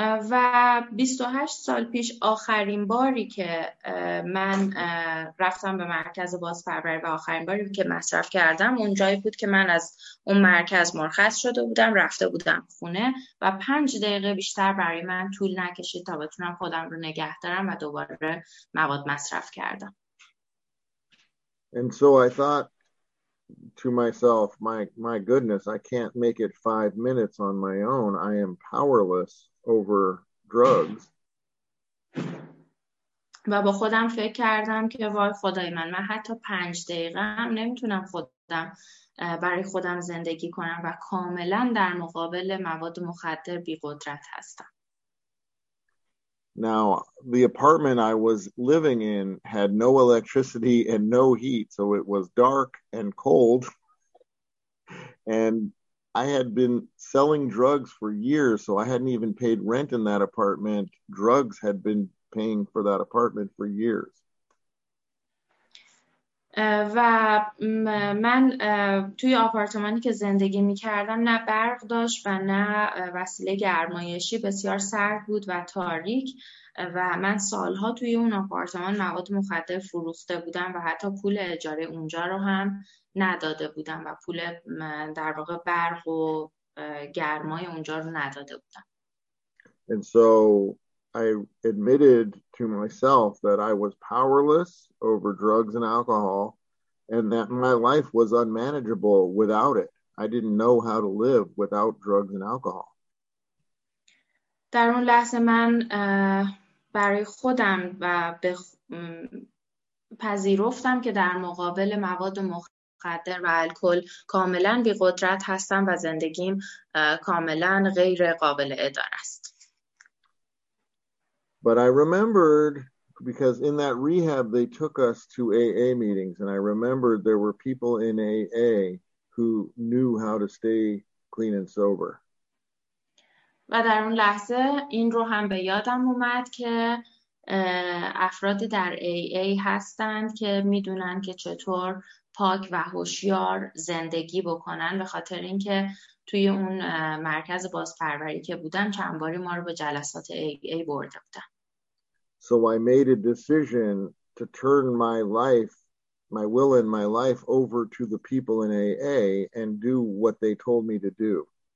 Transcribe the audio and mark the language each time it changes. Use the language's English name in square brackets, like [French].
[Persian] و 28 سال پیش آخرین باری که من رفتم به مرکز بازپروری و آخرین باری که مصرف کردم اونجایی بود که من از اون مرکز مرخص شده بودم، رفته بودم خونه و 5 دقیقه بیشتر برای من طول نکشید تا بتونم خودم رو نگه دارم و دوباره مواد مصرف کردم. [English] And so I thought to myself, my goodness, I can't make it 5 minutes on my own. I am powerless over drugs. [Persian] و با خودم فکر کردم که وای خدای من، من حتی 5 دقیقه هم نمیتونم خودم برای خودم زندگی کنم و کاملا در مقابل مواد مخدر بی قدرت هستم. [English] Now, the apartment I was living in had no electricity and no heat, so it was dark and cold. And I had been selling drugs for years, so I hadn't even paid rent in that apartment. Drugs had been paying for that apartment for years. [Persian] و من توی آپارتمانی که زندگی می کردم نه برق داشت و نه وسیله گرمایشی، بسیار سرد بود و تاریک و من سالها توی اون آپارتمان مواد مخدر فروخته بودم و حتی پول اجاره اونجا رو هم نداده بودم و پول در واقع برق و گرمای اونجا رو نداده بودم. [English] And so I admitted to myself that I was powerless over drugs and alcohol and that my life was unmanageable without it. I didn't know how to live without drugs and alcohol. [Persian] در اون لحظه من برای خودم و به پذیرفتم که در مقابل مواد مخدر و الکل کاملا بی قدرت هستم و زندگیم کاملا غیر قابل اداره است. [English] But I remembered, because in that rehab, they took us to AA meetings, and I remembered there were people in AA who knew how to stay clean and sober. [Persian] و در اون لحظه این رو هم به یادم اومد که افراد در AA هستند که میدونن که چطور پاک و هوشیار زندگی بکنن، به خاطر اینکه توی اون مرکز بازپروری که بودن چند باری ما رو به جلسات AA برده بودن. [English] So I made a decision to turn my life, my will and my life over to the people in AA and do what they told me to do.